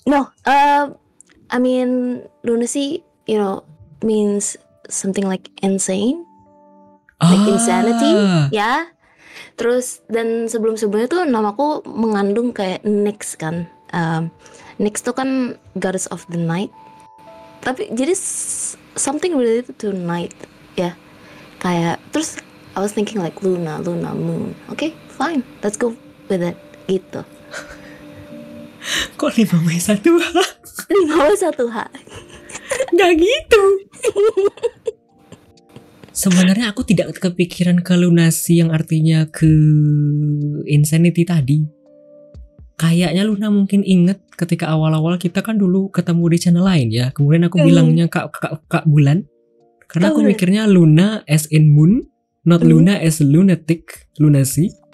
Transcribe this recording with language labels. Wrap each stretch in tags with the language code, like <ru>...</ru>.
<en>No, I mean lunacy, you know, means something like insane, like insanity, ya.</en> <id>Terus dan sebelumnya tuh namaku mengandung kayak Nyx kan. Nyx tuh kan</id> <en>goddess of the night.</en> <id>Tapi jadi</id> <en>something related to night, ya. Yeah.</en> <id>Kayak terus</id> <en>I was thinking like Luna, Moon. Okay, fine, let's go with it.</en> <id>Gitu. Kok 5W1H? 5W1H. Gak gitu. Sebenarnya aku tidak kepikiran ke lunacy yang artinya ke insanity tadi. Kayaknya Luna mungkin inget ketika awal-awal kita kan dulu ketemu di channel lain ya. Kemudian aku bilangnya kak Bulan. Karena aku mikirnya</id> <en>Luna as in moon, not Luna as lunatic, lunacy.</en>